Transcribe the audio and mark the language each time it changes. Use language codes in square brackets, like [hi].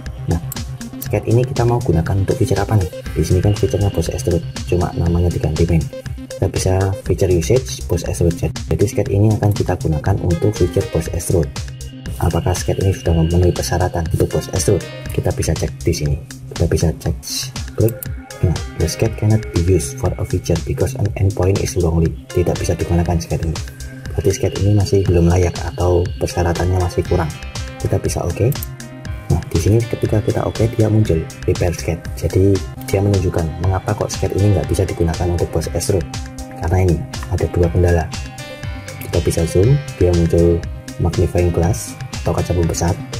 [id] Nah, sketch ini kita mau gunakan untuk feature apa nih? Di sini kan feature-nya Boss Extrude, cuma namanya diganti main. Kita bisa feature usage Boss Extrude. Jadi sketch ini akan kita gunakan untuk feature Boss Extrude. Apakah sketch ini sudah memenuhi persyaratan untuk Boss Extrude? Kita bisa cek di sini. Kita bisa cek, klik. [en] Nah, the sketch cannot be used for a feature because an endpoint is wrongly. [id] Tidak bisa digunakan sketch ini. Berarti sketch ini masih belum layak atau persyaratannya masih kurang. Kita bisa oke. Nah, di sini ketika kita oke, dia muncul repair sketch. Jadi dia menunjukkan mengapa kok sketch ini nggak bisa digunakan untuk Boss Extrude. Karena ini ada dua kendala. Kita bisa zoom, dia muncul magnifying glass atau kaca pembesar.